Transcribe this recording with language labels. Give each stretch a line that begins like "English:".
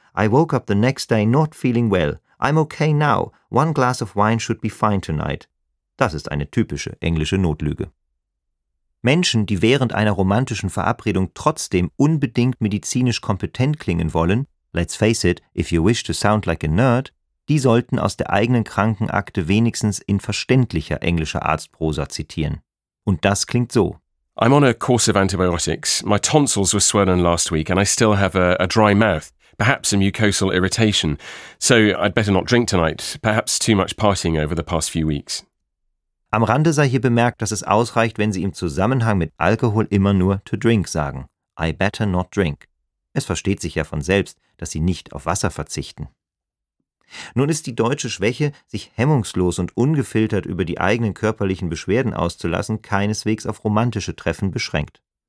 English: I woke up the next day not feeling well. I'm okay now. One glass of wine should be fine tonight.
German: Das ist eine typische englische Notlüge. Menschen, die während einer romantischen Verabredung trotzdem unbedingt medizinisch kompetent klingen wollen,
English: let's face it, if you wish to sound like a nerd,
German: die sollten aus der eigenen Krankenakte wenigstens in verständlicher englischer Arztprosa zitieren. Und das klingt so.
English: I'm on a course of antibiotics. My tonsils were swollen last week and I still have a dry mouth. Perhaps a mucosal irritation. So I'd better not drink tonight. Perhaps too much partying over the past few weeks.
German: Am Rande sei hier bemerkt, dass es ausreicht, wenn Sie im Zusammenhang mit Alkohol immer nur
English: to drink
German: sagen.
English: I better not drink.
German: Es versteht sich ja von selbst, dass Sie nicht auf Wasser verzichten. Nun ist die deutsche Schwäche, sich hemmungslos und ungefiltert über die eigenen körperlichen Beschwerden auszulassen, keineswegs auf romantische Treffen beschränkt.